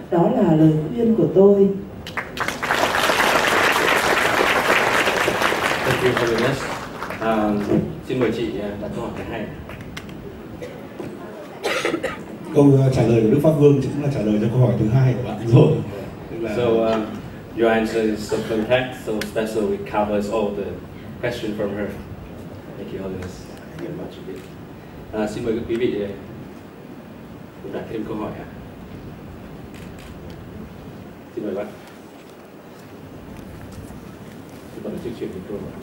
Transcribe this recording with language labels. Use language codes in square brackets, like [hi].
[vi] Đó là lời khuyên của tôi. [en] Thank you very much. [vi] Xin mời chị đặt câu hỏi thứ hai. Câu trả lời của Đức Pháp Vương chính là trả lời cho câu hỏi thứ hai của bạn rồi. [en] So your answer is so complex, so special, it covers all the questions from her. Thank you, Holiness. Thank you very much. [vi] Xin mời quý vị đặt thêm câu hỏi ạ. Xin mời bạn. Xin mời chương trình của tôi.